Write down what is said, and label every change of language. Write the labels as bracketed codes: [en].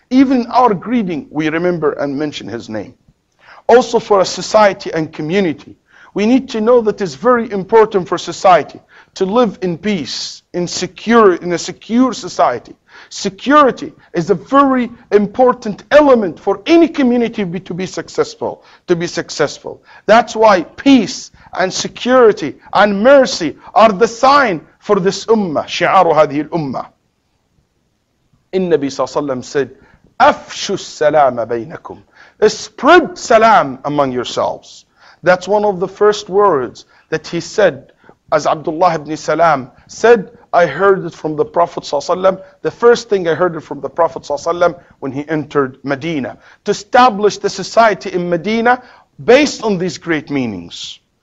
[en] Even in our greeting, we remember and mention His name. Also for a society and community, we need to know that it's very important for society to live in peace, in a secure society. Security is a very important element for any community to be successful. That's why peace and security and mercy are the sign for this ummah, [ar] شعار هذه الأمة. النبي صلى الله عليه وسلم [en] said, [ar] أفشوا السلام بينكم. [en] Spread salam among yourselves. That's one of the first words that he said, as Abdullah ibn Salam said, I heard it from the Prophet ﷺ. The first thing I heard it from the Prophet ﷺ when he entered Medina, to establish the society in Medina based on these great meanings.